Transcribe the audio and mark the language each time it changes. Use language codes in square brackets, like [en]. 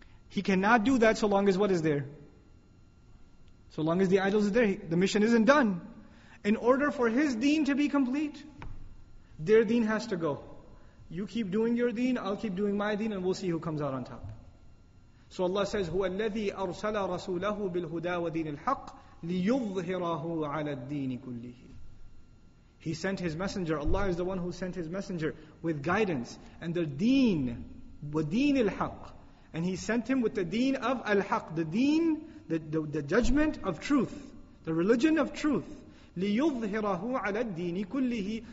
[en] He cannot do that so long as what is there? So long as the idols are there, the mission isn't done. In order for his deen to be complete, their deen has to go. You keep doing your deen, I'll keep doing my deen, and we'll see who comes out on top. So Allah says, [ar] هُوَ الَّذِي أَرْسَلَ رَسُولَهُ بِالْهُدَى وَدِينِ الْحَقِّ لِيُظْهِرَهُ عَلَى الدِّينِ كُلِّهِ. [en] He sent His Messenger. Allah is the one who sent His Messenger with guidance and the deen, [ar] وَدِينِ الْحَقِّ. [en] And He sent Him with the deen of al-haqq, the deen, the judgment of truth, the religion of truth. [ar] لِيُظْهِرَهُ عَلَى الدِّينِ كُلِّهِ.